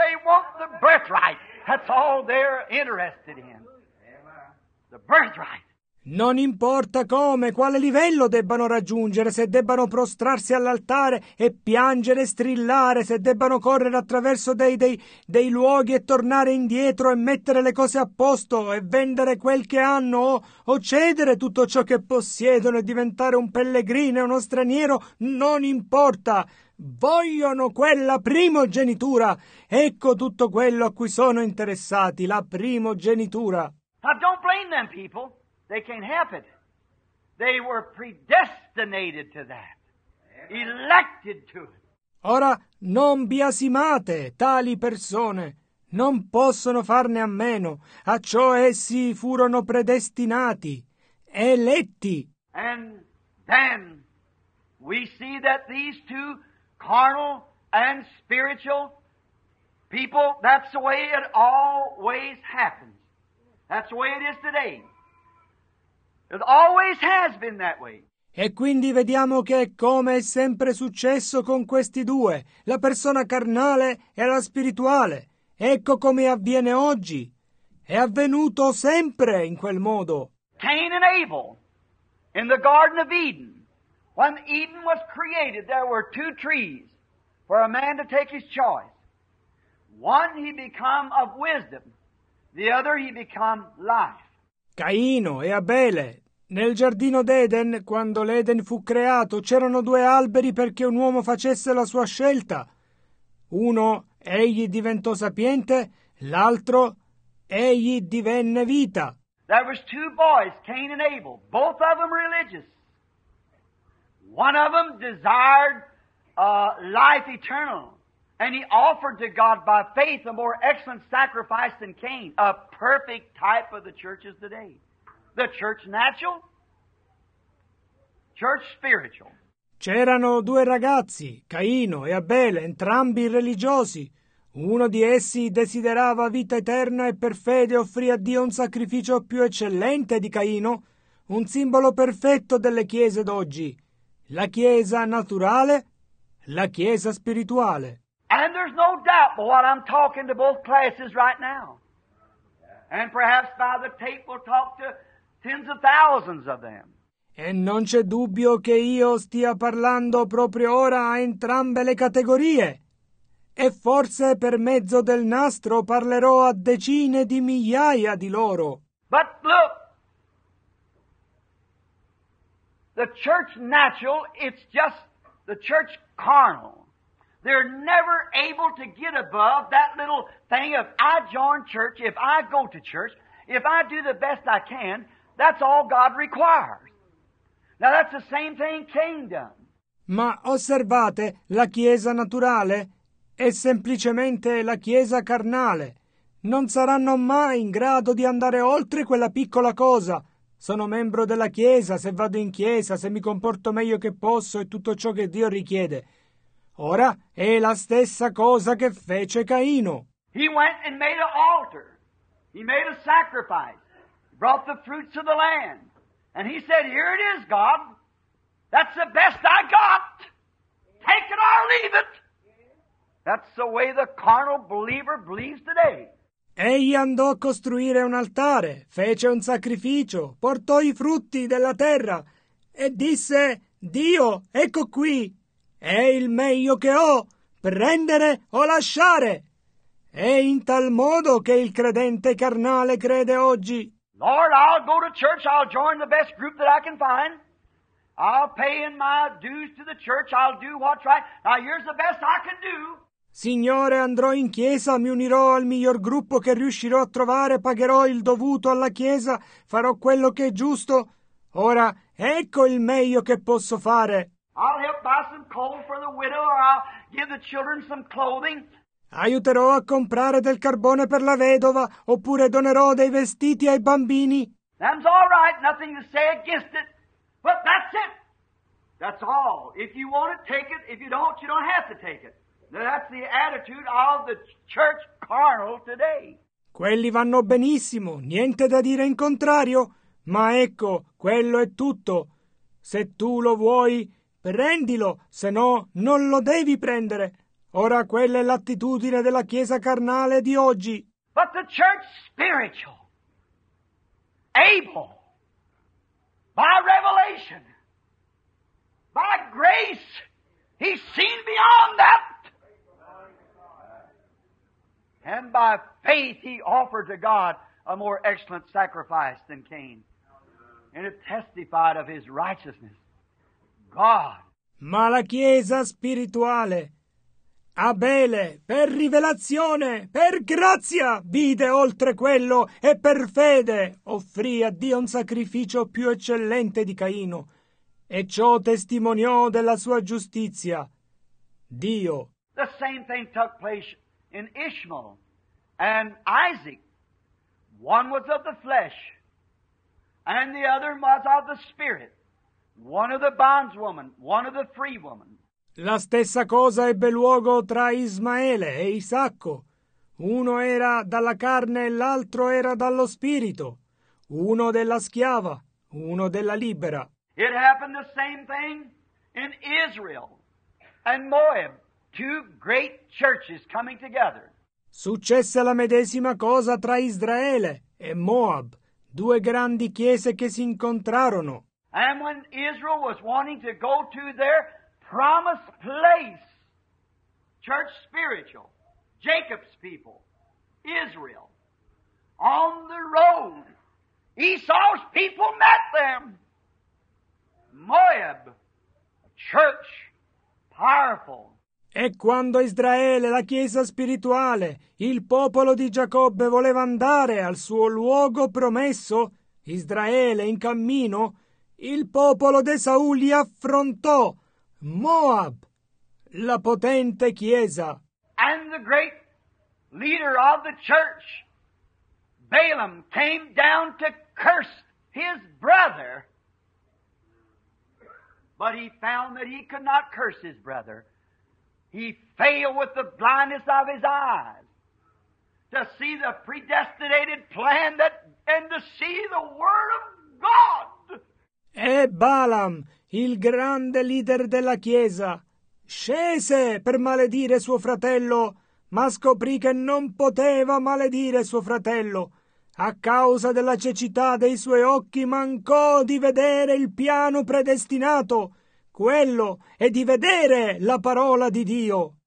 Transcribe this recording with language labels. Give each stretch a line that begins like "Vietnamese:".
English: They want the birthright. That's all they're interested in. The birthright.
Italian: Non importa come, quale livello debbano raggiungere, se debbano prostrarsi all'altare e piangere e strillare, se debbano correre attraverso dei luoghi e tornare indietro e mettere le cose a posto e vendere quel che hanno o cedere tutto ciò che possiedono e diventare un pellegrino e uno straniero, non importa. Vogliono quella primogenitura. Ecco tutto quello a cui sono interessati, la primogenitura.
English: Now don't blame them, people. They can't help it. They were predestinated to that, elected to it.
Italian: Ora, non biasimate tali persone. Non possono farne a meno, a ciò essi furono predestinati, eletti.
English: And then we see that these two carnal and spiritual people, that's the way it always happens. That's the way it is today. It always has been that way.
Italian: E quindi vediamo che come è sempre successo con questi due, la persona carnale e la spirituale. Ecco come avviene oggi. È avvenuto sempre in quel modo.
English: Cain and Abel, in the Garden of Eden, when Eden was created, there were two trees for a man to take his choice. One he became of wisdom, the other he became life.
Italian: Caino e Abele. Nel giardino d'Eden, quando l'Eden fu creato, c'erano due alberi perché un uomo facesse la sua scelta. Uno, egli diventò sapiente, l'altro, egli divenne vita.
English: There was two boys, Cain and Abel, both of them religious. One of them desired life eternal, and he offered to God by faith a more excellent sacrifice than Cain, a perfect type of the churches today. The church natural, church spiritual.
Italian: C'erano due ragazzi, Caino e Abele, entrambi religiosi. Uno di essi desiderava vita eterna e per fede offrì a Dio un sacrificio più eccellente di Caino, un simbolo perfetto delle chiese d'oggi, la chiesa naturale, la chiesa spirituale.
English: And there's no doubt but what I'm talking to both classes right now. And perhaps by the tape we'll talk to tens of thousands of them.
Italian: E non c'è dubbio che io stia parlando proprio ora a entrambe le categorie. E forse per mezzo del nastro parlerò a decine di migliaia di loro.
English: But look, the church natural, it's just the church carnal. They're never able to get above that little thing of I join church, if I go to church, if I do the best I can, that's all God requires. Now that's the same thing Cain done.
Italian: Ma osservate, la chiesa naturale è semplicemente la chiesa carnale. Non saranno mai in grado di andare oltre quella piccola cosa. Sono membro della chiesa, se vado in chiesa, se mi comporto meglio che posso e tutto ciò che Dio richiede. Ora è la stessa cosa che fece Caino.
English: He went and made an altar. He made a sacrifice. He brought the fruits of the land. And he said, here it is, God. That's the best I got. Take it or leave it. That's the way the carnal believer believes today.
Italian: Egli andò a costruire un altare, fece un sacrificio, portò i frutti della terra e disse, Dio, ecco qui, è il meglio che ho, prendere o lasciare. È in tal modo che il credente carnale crede oggi.
English: Lord, I'll go to church, I'll join the best group that I can find. I'll pay in my dues to the church, I'll do what's right. Now here's the best I can do.
Italian: Signore, andrò in chiesa, mi unirò al miglior gruppo che riuscirò a trovare, pagherò il dovuto alla chiesa, farò quello che è giusto. Ora, ecco il meglio che posso fare.
English: I'll help buy some coal for the widow, or I'll give the children some clothing.
Italian: Aiuterò a comprare del carbone per la vedova, oppure donerò dei vestiti ai bambini.
English: That's all right, nothing to say against it, but that's it. That's all. If you want to take it, if you don't have to take it. That's the attitude of the church carnal today.
Italian: Quelli vanno benissimo, niente da dire in contrario, ma ecco, quello è tutto. Se tu lo vuoi, prendilo, se no, non lo devi prendere. Ora quella è l'attitudine della chiesa carnale di oggi.
English: But the church spiritual, able, by revelation, by grace, he's seen beyond that. And by faith he offered to God a more excellent sacrifice than Cain. And it testified of his righteousness. God.
Italian: Ma la chiesa spirituale. Abele, per rivelazione, per grazia, vide oltre quello e per fede offrì a Dio un sacrificio più eccellente di Caino, e ciò testimoniò della sua giustizia. Dio.
English: The same thing took place in Ishmael and Isaac. One was of the flesh and the other was of the spirit. One of the bondswoman, one of the free woman.
Italian: La stessa cosa ebbe luogo tra Ismaele e Isacco. Uno era dalla carne e l'altro era dallo spirito. Uno della schiava, uno della libera.
English: It happened the same thing in Israel and Moab, two great churches coming together.
Italian: Successe la medesima cosa tra Israele e Moab, due grandi chiese che si incontrarono.
English: And when Israel was wanting to go to their promised place, church spiritual, Jacob's people, Israel, on the road, Esau's people met them. Moab, a church, powerful.
Italian: E quando Israele, la chiesa spirituale, il popolo di Giacobbe voleva andare al suo luogo promesso, Israele in cammino, il popolo di Esau li affrontò. Moab, la potente chiesa.
English: And the great leader of the church, Balaam, came down to curse his brother. But he found that he could not curse his brother. He failed with the blindness of his eyes to see the predestinated plan that, and to see the word of God.
Italian: E Balaam, il grande leader della chiesa, scese per maledire suo fratello, ma scoprì che non poteva maledire suo fratello. A causa della cecità dei suoi occhi mancò di vedere il piano predestinato, quello è di vedere la parola di Dio.